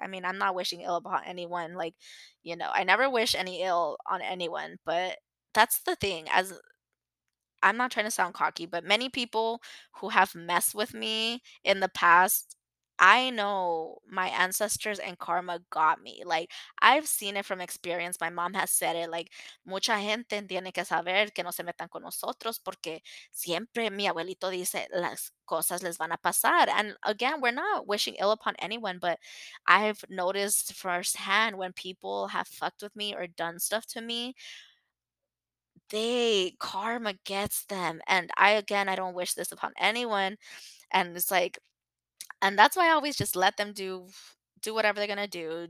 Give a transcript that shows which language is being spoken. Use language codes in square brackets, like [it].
[en] I mean, I'm not wishing ill upon anyone. Like, you know, I never wish any ill on anyone. But that's the thing. As I'm not trying to sound cocky, but many people who have messed with me in the past, I know my ancestors and karma got me. Like, I've seen it from experience. My mom has said it, like, [es] mucha gente tiene que saber que no se metan con nosotros porque siempre mi abuelito dice las cosas les van a pasar. [en] And again, we're not wishing ill upon anyone, but I've noticed firsthand when people have fucked with me or done stuff to me, they karma gets them. And I don't wish this upon anyone. And it's like, and that's why I always just let them do whatever they're gonna do.